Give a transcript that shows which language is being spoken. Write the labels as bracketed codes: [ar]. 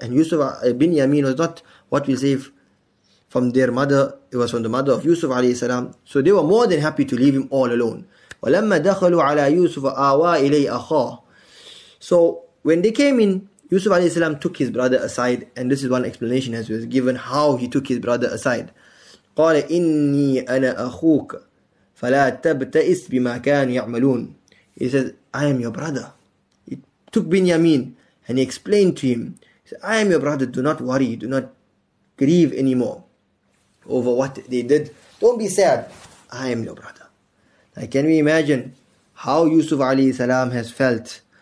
[en] And Yusuf Binyamin was not what we say from their mother, it was from the mother of Yusuf alayhi salam. So they were more than happy to leave him all alone. [ar] وَلَمَّا دَخَلُوا عَلَىٰ يُوسُفَ آوَىٰ إِلَيْ أَخَاهُ [en] So when they came in, Yusuf alayhi salam took his brother aside. And this is one explanation as was given how he took his brother aside. [ar] قَالَ إِنِّي أَنَا أَخُوكَ فَلَا تَبْتَئِسْ بِمَا كَانُ يَعْمَلُونَ [en] He says, I am your brother. He took Binyamin and he explained to him. He said, I am your brother, do not worry, do not grieve anymore over what they did. Don't be sad. I am your brother. Now, can we imagine how Yusuf alayhi salam has felt?